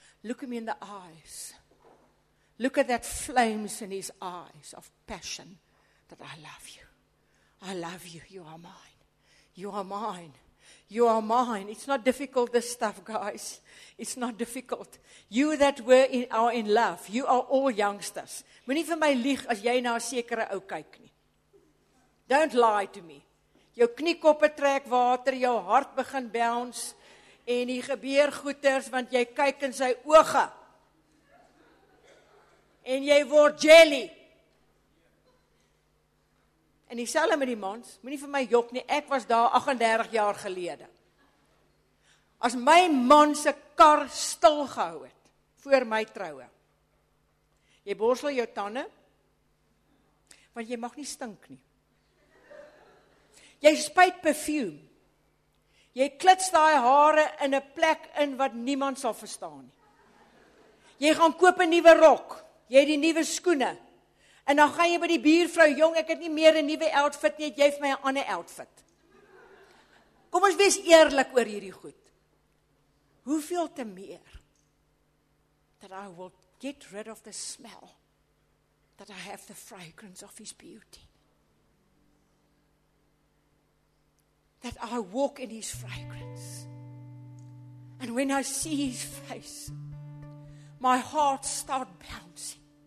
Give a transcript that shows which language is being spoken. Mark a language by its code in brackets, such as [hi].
[en] Look at me in the eyes. Look at that flames in his eyes of passion that I love you. I love you. You are mine. You are mine. You are mine. It's not difficult, this stuff, guys. It's not difficult. You that were in, are in love, you are all youngsters. [af] Moenie vir my lieg as jy na 'n sekere ou kyk nie. [en] Don't lie to me. [af] Jou kniekoppe trek water, jou hart begin bounce. En die gebeur goeters, want jy kyk in sy oë. En jy word jelly. En die selle met die mans, moenie vir my jok nie, ek was daar 38 jaar gelede. As my man se kar stil gehou het, voor my troue. Jy borsel jou tande, want jy mag nie stink nie. Jy spuit perfume. Jy klits daai hare in 'n plek in wat niemand sal verstaan nie. Jy gaan koop 'n nuwe rok. Jy het die nuwe skoene. En dan gaan jy by die buurvrou, jong, ek het nie meer 'n nuwe outfit nie, het jy vir my 'n ander outfit. Kom ons wees eerlik oor hierdie goed. Hoeveel te meer [en] that I will get rid of the smell that I have the fragrance of his beauty. That I walk in his fragrance. And when I see his face, my heart starts bouncing.